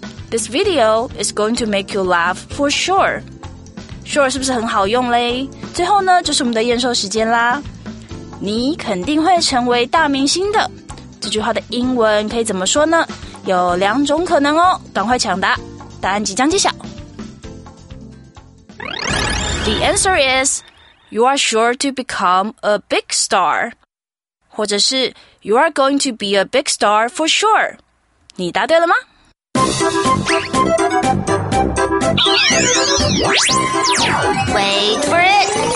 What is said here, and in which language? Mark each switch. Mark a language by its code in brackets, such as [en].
[en] This video is going to make you laugh for sure. [zh] Sure 是不是很好用嘞？最后呢，就是我们的验收时间啦。你肯定会成为大明星的。这句话的英文可以怎么说呢？有两种可能哦，赶快抢答，答案即将揭晓。 [en] The answer is, you are sure to become a big star. [zh] 或者是 [en] You are going to be a big star for sure. [zh] 你答对了吗？ [en] Wait for it.